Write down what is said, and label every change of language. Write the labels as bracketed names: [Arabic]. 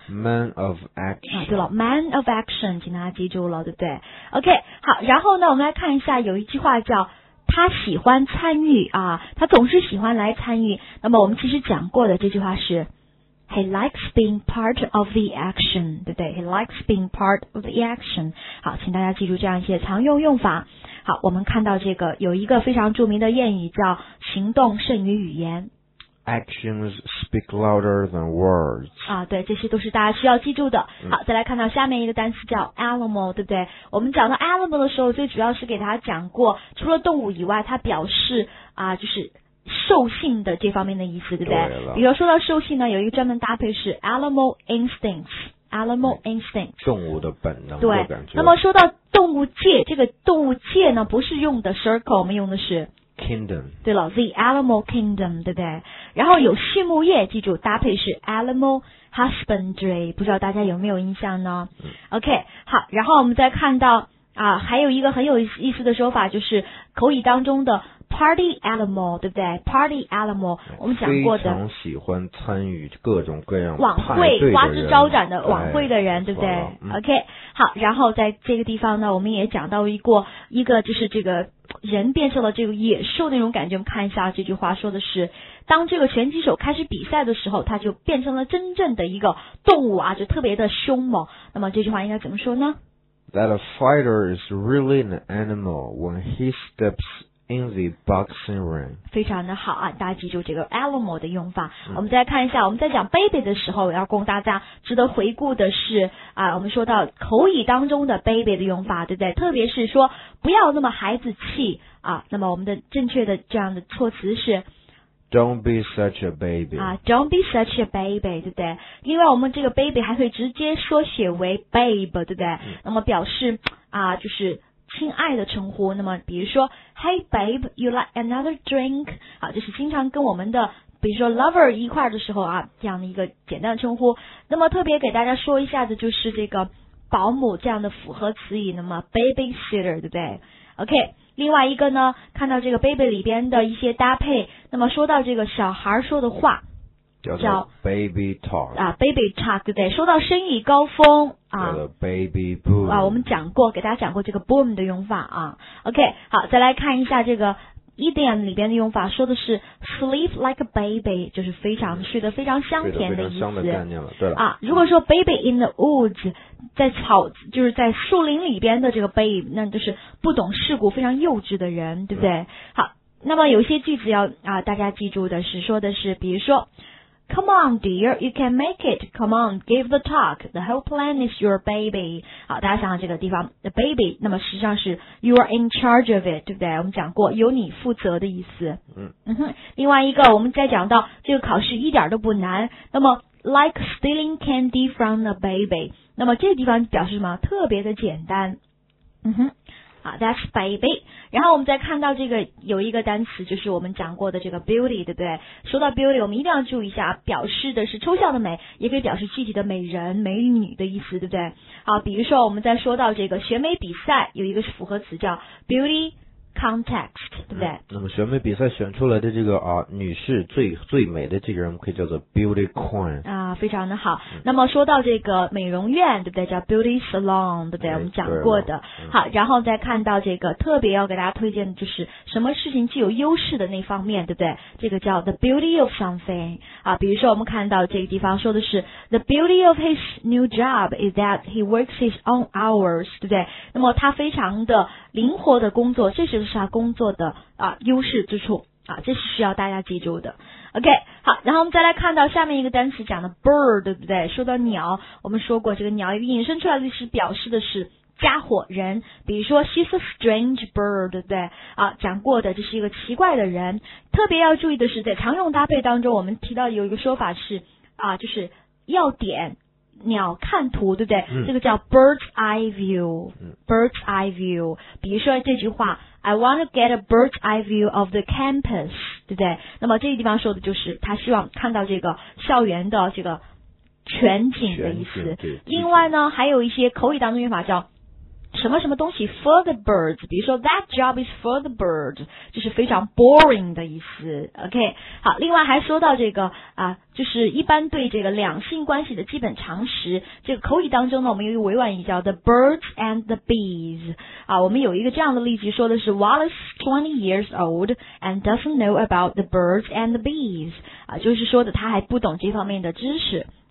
[English] man of action。 [Chinese] 对了， man of action，请大家记住了，对不对？OK， 好，然后呢我们来看一下，有一句话叫他喜欢参与他总是喜欢来参与。那么我们其实讲过的这句话是 he likes being part of the action，对不对？ [English] he likes being part of the action。 [Chinese] 好，请大家记住这样一些常用用法。好，我们看到这个有一个非常著名的谚语叫行动胜于语言， [English] Actions speak louder than words。 [Chinese] 对，这些都是大家需要记住的。好，再来看到下面一个单词叫 animal， 对不对？我们讲到 animal 的时候，最主要是给大家讲过，除了动物以外，它表示就是兽性的这方面的意思，对不对？比如 说到兽性呢，有一个专门搭配是 animal instincts。 [English] Animal instinct， [Chinese] 动物的本能。对，那么说到动物界，这个动物界呢，不是用的 circle， 我们用的是 [English] Kingdom，对了 ，the animal kingdom， 对不对？ [Chinese] 然后有畜牧业，记住搭配是 animal husbandry，不知道大家有没有印象呢 ？OK， 好，然后我们再看到啊，还有一个很有意思的说法，就是口语当中的 party animal，对不对？ party animal，我们讲过的，非常喜欢参与各种各样晚会、花枝招展的晚会的人，对不对？OK， 好，然后在这个地方呢，我们也讲到一个就是这个人变成了这个野兽那种感觉。我们看一下这句话说的是，当这个拳击手开始比赛的时候，他就变成了真正的一个动物啊，就特别的凶猛。那么这句话应该怎么说呢？ [English] That a fighter is really an animal when he steps in the boxing ring. [Chinese] 非常的好啊，大家记住这个 animal 的用法。我们再看一下，我们在讲 baby 的时候，要供大家值得回顾的是啊，我们说到口语当中的 baby 的用法，对不对？特别是说不要那么孩子气啊。那么我们的正确的这样的措辞是。 [English] Don't be such a baby. 啊 ，Don't be such a baby， 对不对？ [Chinese] 另外，我们这个 baby 还会直接缩写为 babe， 对不对？那么表示啊，就是亲爱的称呼。 [English] 那么比如说 ，Hey babe， you like another drink？ [Chinese] 啊，就是经常跟我们的比如说 lover 一块的时候啊，这样的一个简单的称呼。那么特别给大家说一下的就是这个保姆这样的复合词语，那么 babysitter， 对不对 ？OK。另外一个呢，看到这个 baby 里边的一些搭配，那么说到这个小孩说的话， [English] 叫 baby talk [Chinese] 啊 ， baby talk 对不对？说到生意高峰啊 [English] ，baby boom [Chinese] 啊，我们讲过，给大家讲过这个 boom 的用法啊。OK， 好，再来看一下这个 idiom 里边的用法，说的是 sleep like a baby，就是非常睡得非常香甜的意思。非常香的概念了，对了 [English] 啊，如果说 baby in the woods。 [Chinese] 在草就是在树林里边的这个 babe， 那就是不懂世故非常幼稚的人，对不对？ [English] 好，那么有些句子要啊大家记住的是说的是，比如说 ，Come on dear， you can make it， come on， give the talk， the whole plan is your baby。 [Chinese] 好，大家想想这个地方 ，the baby， 那么实际上是 you are in charge of it，对不对？我们讲过由你负责的意思。嗯哼，另外一个我们再讲到这个考试一点都不难，那么 like stealing candy from the baby。那么这个地方表示什么？特别的简单，嗯哼，好 ， that's baby。然后我们再看到这个有一个单词，就是我们讲过的这个 beauty， 对不对？说到 beauty， 我们一定要注意一下，表示的是抽象的美，也可以表示具体的美人、美女的意思，对不对？好，比如说我们在说到这个选美比赛，有一个复合词叫 beauty。 [English] Context， 对不对？ [Chinese] 那么选美比赛选出来的这个啊，女士最美的这个人，可以叫做 Beauty Queen 啊，非常的好。那么说到这个美容院，对不对？叫 Beauty Salon，对不对？我们讲过的。好，然后再看到这个特别要给大家推荐的就是什么事情具有优势的那方面，对不对？ [English] 这个叫 The Beauty of Something 啊。比如说我们看到这个地方说的是 The Beauty of His New Job is that he works his own hours， 对不对？ [Chinese] 那么他非常的灵活的工作，这是。就是他工作的啊优势之处啊，这是需要大家记住的。 OK， 好，然后我们再来看到下面一个单词讲的 bird， 对不对？说到鸟，我们说过这个鸟一个引申出来的是表示的是家伙人，比如说 she's a strange bird，对不对？啊，讲过的这是一个奇怪的人。特别要注意的是，在常用搭配当中，我们提到有一个说法是啊，就是要点。鸟看图，对不对？ [English] 这个叫 bird's eye view， bird's eye view。比如说这句话 ，I want to get a bird's eye view of the campus， 对不对？ [Chinese] 那么这个地方说的就是他希望看到这个校园的这个全景的意思。另外呢，还有一些口语当中用法叫。 [English] 什么什么东西 for the birds， 比如说 that job is for the birds，就是非常 boring 的意思。 [Chinese] OK， 好，另外还说到这个啊，就是一般对这个两性关系的基本常识，这个口语当中呢，我们有一个委婉语叫 the birds and the bees 啊，我们有一个这样的例句说的是 Wallace 20 years old and doesn't know about the birds and the bees 啊，就是说的他还不懂这方面的知识。